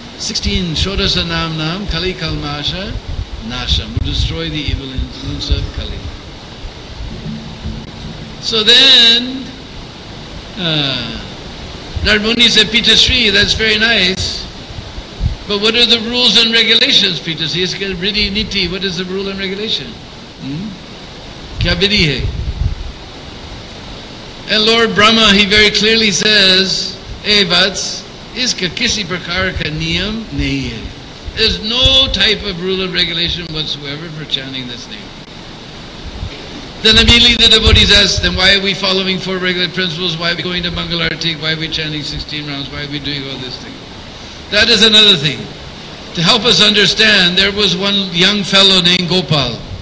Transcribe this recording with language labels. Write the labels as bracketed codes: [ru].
[en] 16, [sa] षोडश नाम नाम, कलि कल्मष नाशम्, [en] will destroy the evil influence of Kali. So then, Narad Muni said, Pita Sri, that's very nice, but what are the rules and regulations, Pita Sri? It's really niti, what is the rule and regulation? [hi] क्या विधि है? [en] And Lord Brahma, he very clearly says, hey, [hi] वत्स, इसका किसी प्रकार का नियम नहीं है। [en] There's no type of rule of regulation whatsoever for chanting this name. Then immediately the devotees ask, then why are we following four regular principles? Why are we going to Mangalarti? Why are we chanting 16 rounds? Why are we doing all this thing? That is another thing. To help us understand, there was one young fellow named Gopal.